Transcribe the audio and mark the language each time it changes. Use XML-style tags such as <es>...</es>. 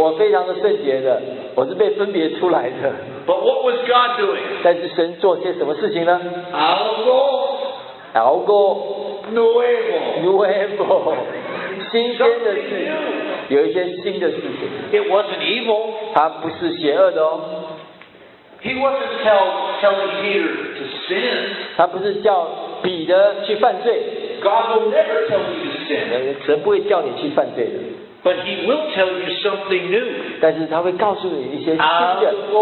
<zh>我非常的圣洁的，我是被分别出来的。</zh> <en>But what was God doing?</en> <zh>但是神做些什么事情呢？</zh> <es>Algo. Algo. Nuevo. Nuevo.</es> <zh>新鲜的事，有一些新的事情。</zh> <en>It wasn't evil.</en> <zh>他不是邪恶的哦。</zh> <en>He wasn't telling Peter to sin.</en> <zh>他不是叫彼得去犯罪。</zh> <en>God will never tell you to sin.</en> <zh>神不会叫你去犯罪的。</zh> <en>But he will tell you something new.</en> <zh>但是他会告诉你一些新的。</zh>